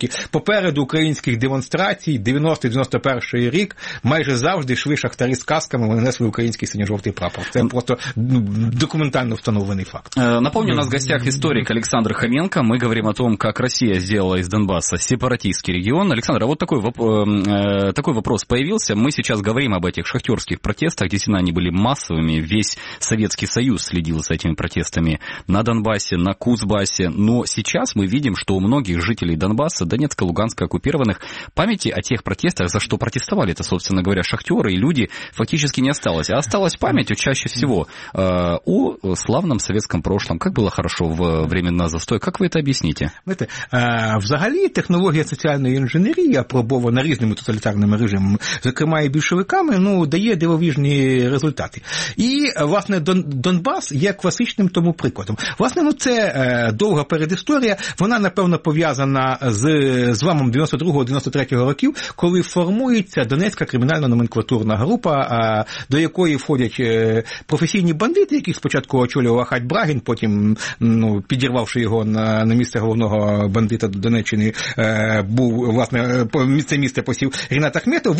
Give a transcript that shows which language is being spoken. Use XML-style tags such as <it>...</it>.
<uk>Попереду українських демонстрацій 90-91 рік майже завжди йшли шахтарі з касками, вони несли український синьо-жовтий прапор. Це просто документально встановлений факт.</uk> <ru>Напомню, у нас в гостях історик Александр Хоменко. Мы говорим о том, как Россия сделала из Донбасса сепаратистский регион. Александр, а вот такой вопрос появился. Мы сейчас говорим об этих шахтерских протестах. Действительно, они были массовыми. Весь Советский Союз следил за этими протестами на Донбассе, на Кузбассе. Но сейчас мы видим, что у многих жителей Донбасса, Донецка, Луганска, оккупированных, памяти о тех протестах, за что протестовали это, собственно говоря, шахтеры и люди, фактически не осталось. А осталась память чаще всего о славном советском прошлом, как было хорошо в времена застоя. Как вы это объясните?</ru> <uk>Взагалі технологія соціальної інженерії, апробована різними тоталітарними режимами, зокрема і більшовиками, дає дивовижні результати. І, власне, Донбас є класичним тому прикладом. Власне, це довга передісторія, вона, напевно, пов'язана з зламом 92-93 років, коли формується Донецька кримінально-номенклатурна група, до якої входять професійні бандити, яких спочатку очолював Ахать Брагін, потім підірвавши його на місце головного бандита Донеччини, був, власне, місце посів Рінат Ахметов.</uk>